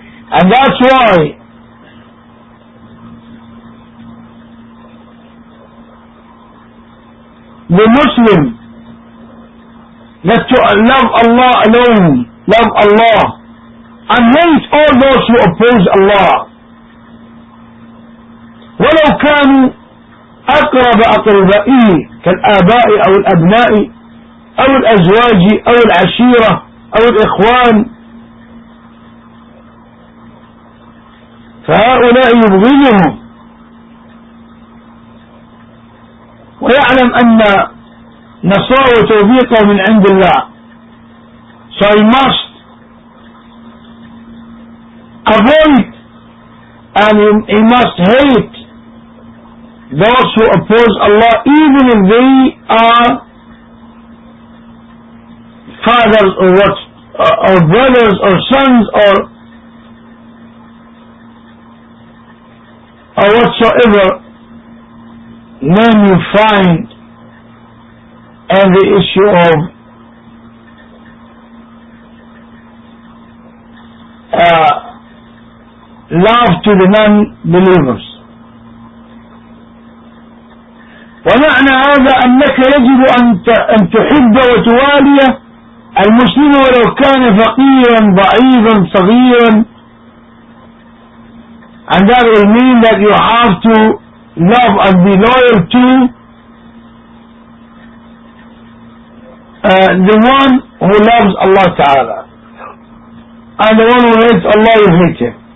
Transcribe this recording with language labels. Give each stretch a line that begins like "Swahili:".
English: And that's why the Muslim let love Allah alone. Love Allah and hate all those who oppose Allah.
Arabic: ولو كانوا أقرب أقربائه كالآباء أو الأبناء أو الأزواج أو العشيرة أو الإخوان، فهؤلاء يبغضهم ويعلم أن نصره وتوفيقه من عند الله.
English: So he must avoid and he must hate those who oppose Allah, even if they are fathers or what, or brothers or sons or whatsoever name you find on the issue of love to the non-believers.
Arabic: ومعنى هذا أنك يجب أن تحب وتوالي المسلم ولو كان فقيرا ضعيفا صغيرا.
English: And that will mean that you have to love and be loyal to the one who loves Allah Ta'ala. And the one who hates Allah, you hate him.